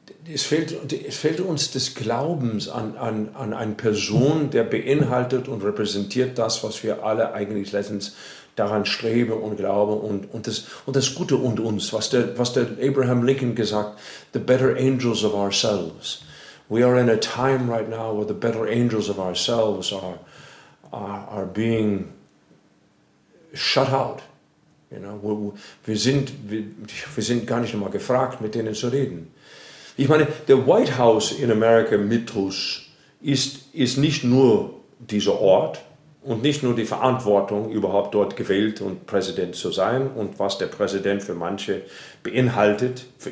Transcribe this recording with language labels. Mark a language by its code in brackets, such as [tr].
[de] Es fehlt uns des Glaubens an eine Person, der beinhaltet und repräsentiert das, was wir alle eigentlich letztens daran streben und glauben und das Gute und uns, was der Abraham Lincoln gesagt, [en] the better angels of ourselves. We are in a time right now where the better angels of ourselves are being shut out. You know, [de] wir sind gar nicht mal gefragt, mit denen zu reden. Ich meine, der White House in Amerika, Mitrus, ist nicht nur dieser Ort und nicht nur die Verantwortung, überhaupt dort gewählt und Präsident zu sein und was der Präsident für manche beinhaltet.